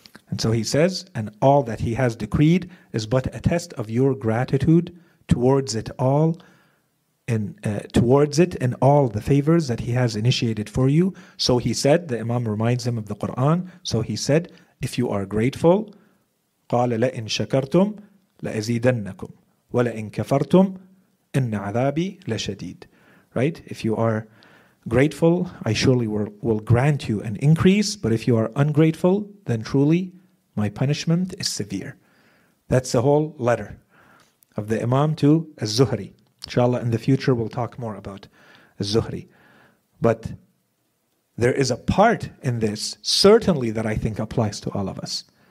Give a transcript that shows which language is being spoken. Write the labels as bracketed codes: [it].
[en] And so he says, and all that he has decreed is but a test of your gratitude towards it all, and all the favors that he has initiated for you. So he said, the Imam reminds him of the Quran. So he said, if you are grateful, [ar] قال لئن شكرتم لأزيدنكم ولئن كفرتم إن عذابي لشديد. [en] Right? If you are grateful, I surely will grant you an increase. But if you are ungrateful, then truly my punishment is severe. That's the whole letter of the Imam to Az-Zuhri. Inshallah, in the future, we'll talk more about Az-Zuhri. But there is a part in this, certainly, that I think applies to all of us.